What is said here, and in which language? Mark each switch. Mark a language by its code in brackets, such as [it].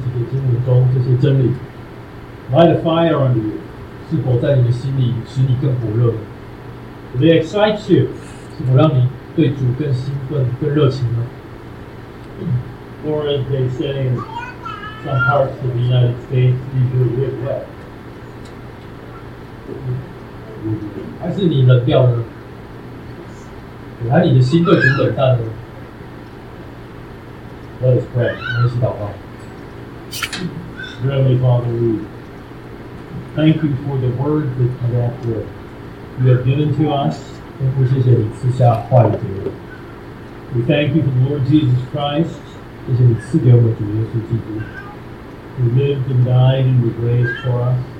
[zh] 在保罗他介绍这本书信的前面几节经文中，这些真理 [en] light a fire under you. [zh] 是否在你的心里使你更火热呢？ [en] Do they excite you? [zh] 是否让你对主更兴奋、更热情呢？ [en] Or as they say in some parts of the United States, you do a bit wet. [zh] 还是你冷掉呢？还是你的心对主冷淡呢？ [en] Let us pray. [zh] 我们一起祷告。 [en] Heavenly Father, we thank you for the word that come after you have given to us. [zh] 天父，谢谢你赐下话语给我。 [en] We thank you for the Lord Jesus Christ. [zh] 谢谢你赐给我们主耶稣基督。 [en] Who lived and died and was raised for us.